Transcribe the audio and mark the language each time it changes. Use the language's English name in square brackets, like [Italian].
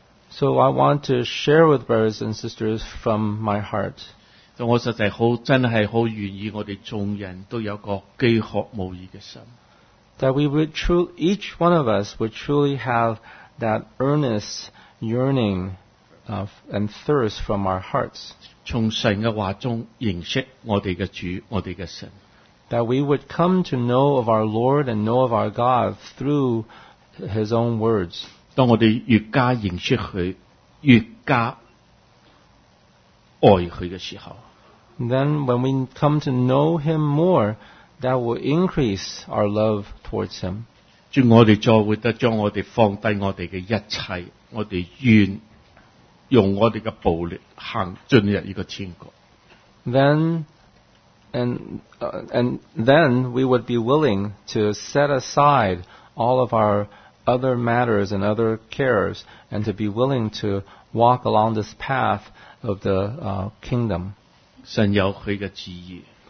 [English] So I want to share with brothers and sisters from my heart. [Cantonese] 我实在好，真系好愿意我哋众人都有个饥渴慕义嘅心。 [English] That we would truly, each one of us would truly have that earnest yearning of and thirst from our hearts. [Cantonese] 从神嘅话中认识我哋嘅主，我哋嘅神。 [English] That we would come to know of our Lord and know of our God through His own words. [Cantonese] 当我哋越加认识佢，越加爱佢嘅时候。 [English] Then when we come to know him more, that will increase our love towards him. [Cantonese] 主，我哋再会得将我哋放低我哋嘅一切，我哋愿用我哋嘅暴力行进入呢个天国。 [English] Then we would be willing to set aside all of our other matters and other cares, and to be willing to walk along this path of the kingdom. [Cantonese] 神有佢嘅旨意。